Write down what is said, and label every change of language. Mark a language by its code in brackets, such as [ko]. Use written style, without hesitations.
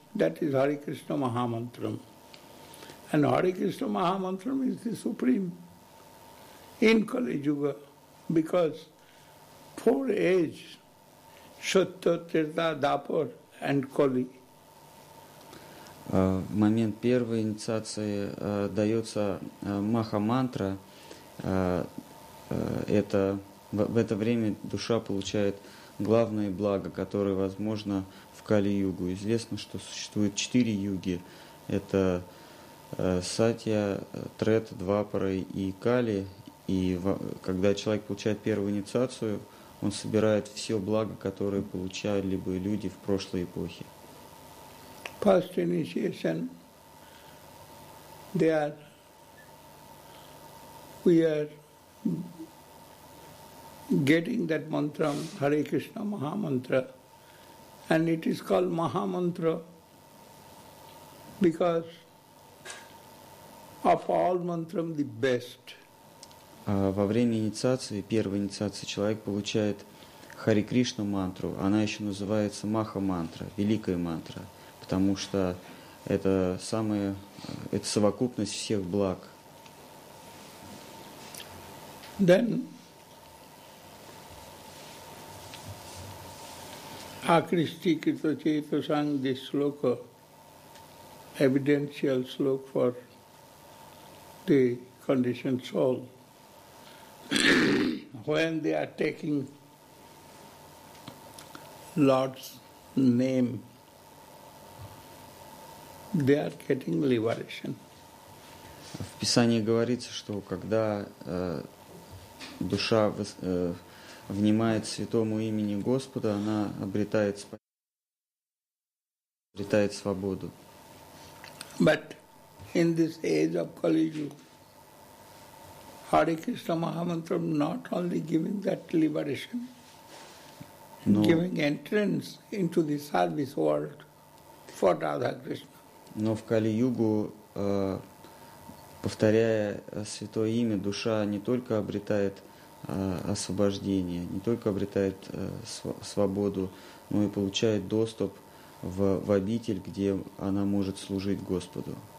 [en] That is Hare Krishna Mahamantram. And Hare Krishna Mahamantram is the supreme in Kali Yuga, because four ages, Satya, Trita, Dapar and Kali. [ru] В момент первой инициации дается Маха-мантра. В это время душа получает главное благо, которое возможно в Кали-югу. Известно, что существует четыре юги. Это Сатья, Трета, Двапара и Кали. И когда человек получает первую инициацию, он собирает все благо, которое получали бы люди в прошлой эпохе. [en] First initiation, we are getting that mantra, Hare Krishna Mahamantra, and it is called Mahamantra because of all mantram the best. [ru] Во время инициации, первой инициации, человек получает Хари Кришну мантру, она еще называется Маха-мантра, великая мантра, потому что это совокупность всех благ. [en] Then Akrishti Krita Cheta sang this sloka, evidential sloka for the conditioned soul. When they are taking Lord's name, they are getting liberation. [ru] В Писании говорится, что когда душа внимает святому имени Господа, она обретает свободу. [en] But in this age of Kali Yuga, Hare Krishna Mahamantra not only giving that liberation, no, giving entrance into the service world for Radha Krishna. [ru] Но в Кали-югу, повторяя святое имя, душа не только обретает освобождение, не только обретает свободу, но и получает доступ в обитель, где она может служить Господу.